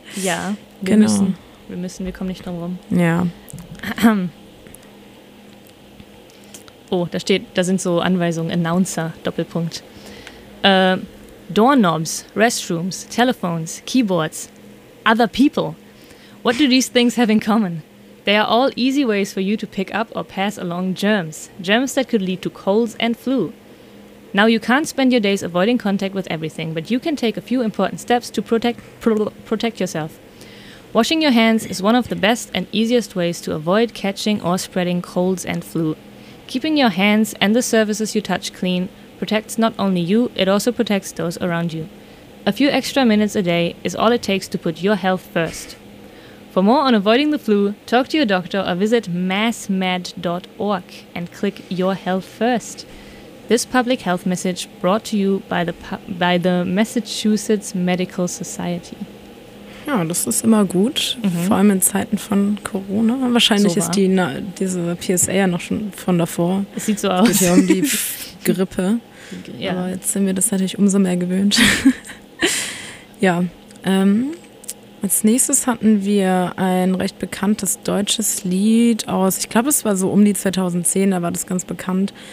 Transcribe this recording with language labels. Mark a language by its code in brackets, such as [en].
[de] Ja, wir müssen, wir kommen nicht drum rum. Ja. Oh, da sind so Anweisungen, Announcer, Doppelpunkt. [en] Doorknobs, Restrooms, Telephones, Keyboards, other people. What do these things have in common? They are all easy ways for you to pick up or pass along germs. Germs that could lead to colds and flu. Now you can't spend your days avoiding contact with everything, but you can take a few important steps to protect yourself. Washing your hands is one of the best and easiest ways to avoid catching or spreading colds and flu. Keeping your hands and the surfaces you touch clean protects not only you, it also protects those around you. A few extra minutes a day is all it takes to put your health first. For more on avoiding the flu, talk to your doctor or visit massmed.org and click your health first. This public health message brought to you by the Massachusetts Medical Society. [de] Ja, das ist immer gut, vor allem in Zeiten von Corona. Wahrscheinlich so ist diese PSA ja noch schon von davor. Es sieht so aus. Es geht ja um die Grippe. Ja. Aber jetzt sind wir das natürlich umso mehr gewöhnt. Ja, als nächstes hatten wir ein recht bekanntes deutsches Lied aus, ich glaube, es war so um die 2010, da war das ganz bekannt.